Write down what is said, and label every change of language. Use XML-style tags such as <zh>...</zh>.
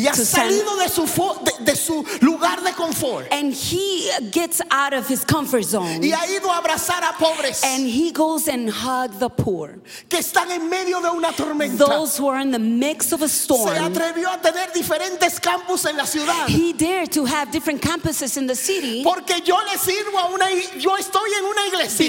<es>y ha salido de su lugar de confort.</es> <en>And he gets out of his comfort zone.</en> <es>Y ha ido a abrazar a pobres.</es> <en>And he goes and hugs the poor.</en> <es>Que están en medio de una tormenta.</es> <en>Those who are in the mix of a storm.</en> <es>Se atrevió a tener diferentes campus en la ciudad.</es> <en>He dared to have different campuses in the city.</en> <es>Porque yo le sirvo a una, yo estoy en una iglesia.</es>